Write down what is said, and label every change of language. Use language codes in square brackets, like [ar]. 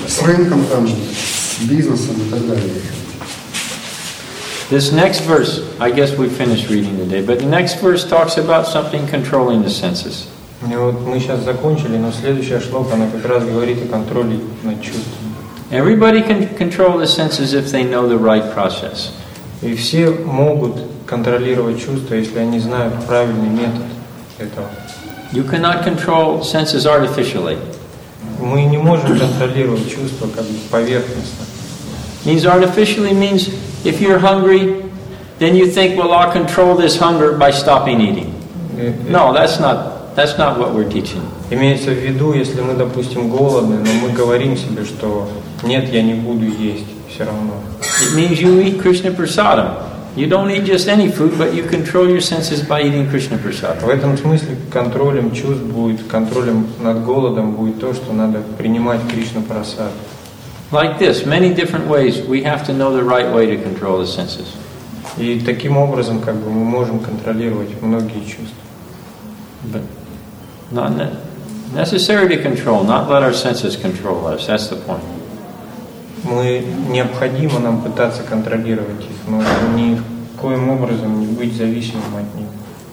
[ru] с рынком там, бизнесом и так далее. [en] This next verse, I guess we finished reading today, but the next verse talks about something controlling the senses. [ru] И вот мы сейчас закончили, но следующая шлока, она как раз говорит о контроле над чувствами. [en] Everybody can control the senses if they know the right process. [ru] И все могут контролировать чувства, если они знают правильный метод этого. [en] You cannot control senses artificially. [ru] Мы не можем контролировать чувства как бы поверхностно. [en] Means artificially means if you're hungry, then you think, well, I'll control this hunger by stopping eating. No, that's not what we're teaching. [ru] Имеется в виду, если мы, допустим, голодны, но мы говорим себе, что нет, я не буду есть все равно. [en] It means you eat Krishna prasadam. You don't eat just any food, but you control your senses by eating Krishna prasadam. [ru] В этом смысле контролем чувств будет, контролем над голодом будет то, что надо принимать Кришна прасад. [en] Like this, many different ways we have to know the right way to control the senses. [ru] И таким образом как бы мы можем контролировать многие чувства. [en] But not necessary to control, not let our senses control us. That's the point. [ru] Мы необходимо нам пытаться контролировать их, но ни в коем образом не быть зависимым от них.